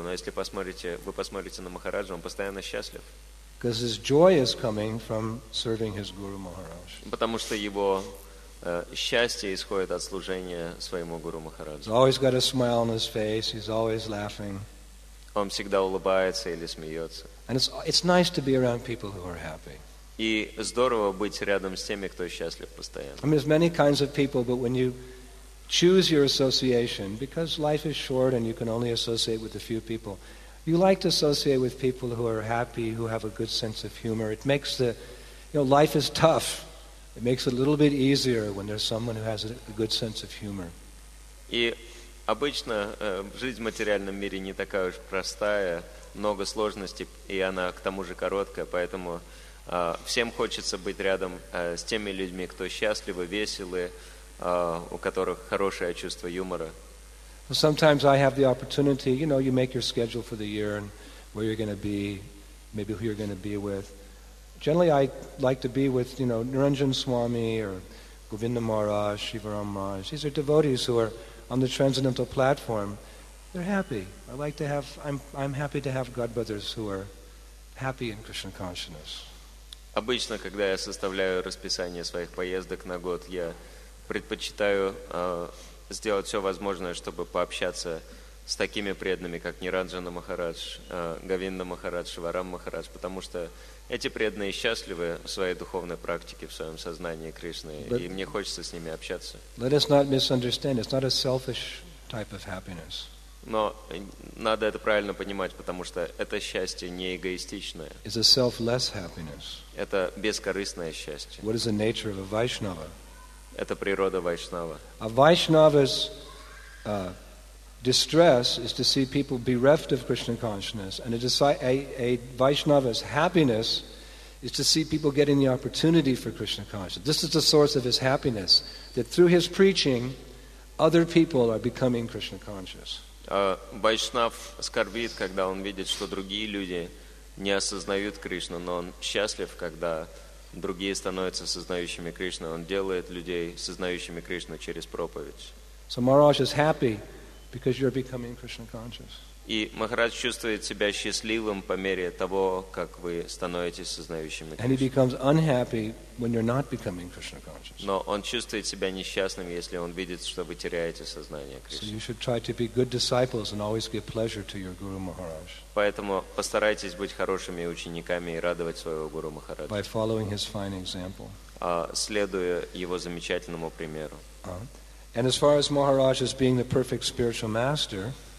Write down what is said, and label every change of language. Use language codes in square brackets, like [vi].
[ru] Но если посмотрите, вы посмотрите на Махараджа, он постоянно счастлив. [en] Because his joy is coming from serving his Guru Maharaj. [ru] Потому что его счастье исходит от служения своему Гуру Махараджу. [en] He's always got a smile on his face, he's always laughing. [ru] Он всегда улыбается или смеется. [en] And it's nice to be around people who are happy. [ru] И здорово быть рядом с теми, кто счастлив постоянно. [en] I mean, there's many kinds of people, but when you choose your association, because life is short and you can only associate with a few people, you like to associate with people who are happy, who have a good sense of humor. It makes the, you know, life is tough. It makes it a little bit easier when there's someone who has a good sense of humor. [ru] И обычно жизнь в материальном мире не такая уж простая, много сложностей, и она к тому же короткая, поэтому всем хочется быть рядом с теми людьми, кто счастливы, веселы, у которых хорошее чувство юмора. [en] Sometimes I have the opportunity, you know, you make your schedule for the year and where you're going to be, maybe who you're going to be with. Generally, I like to be with, you know, Niranjan Swami or Govinda Maharaj, Shivaram Maharaj. These are devotees who are on the transcendental platform. They're happy. I like to have, I'm happy to have godbrothers who are happy in Krishna consciousness. [ru] Обычно, когда я составляю расписание своих поездок на год, я предпочитаю сделать все возможное, чтобы пообщаться с такими преданными, как Ниранджана Махарадж, Говинда Махарадж, Шиварам Махарадж, потому что эти преданные счастливы в своей духовной практике, в своем сознании Кришны, и мне хочется с ними общаться. [en] Let us not misunderstand. It's not a selfish type of happiness. [ru] Но надо это правильно понимать, потому что это счастье не эгоистичное. [en] It's a selfless happiness. [ru] Это бескорыстное счастье. [en] What is the nature of a Vaishnava? [ru] Это природа Вайшнава. [en] A Vaishnava's distress is to see people bereft of Krishna consciousness, and a Vaishnava's happiness is to see people getting the opportunity for Krishna consciousness. This is the source of his happiness, that through his preaching, other people are becoming Krishna conscious. [ru] Вайшнав скорбит, когда он видит, что другие люди не осознают Кришну, но он счастлив, когда другие становятся сознающими Кришну. Он делает людей сознающими Кришну через проповедь. [en] So Maharaj is happy because you're becoming Krishna conscious. [ru] И Махарадж чувствует себя счастливым по мере того, как вы становитесь сознающими Кришну. [en] And he becomes unhappy when you're not becoming Krishna conscious. [ru] Но он чувствует себя несчастным, если он видит, что вы теряете сознание Кришны. [en] So you should try to be good disciples and always give pleasure to your Guru Maharaj. [ru] Поэтому постарайтесь быть хорошими учениками и радовать своего Гуру Махараджа. [en] By following his fine example. [ru] Следуя его замечательному примеру. [en] And as far as Maharaj as being the perfect spiritual master.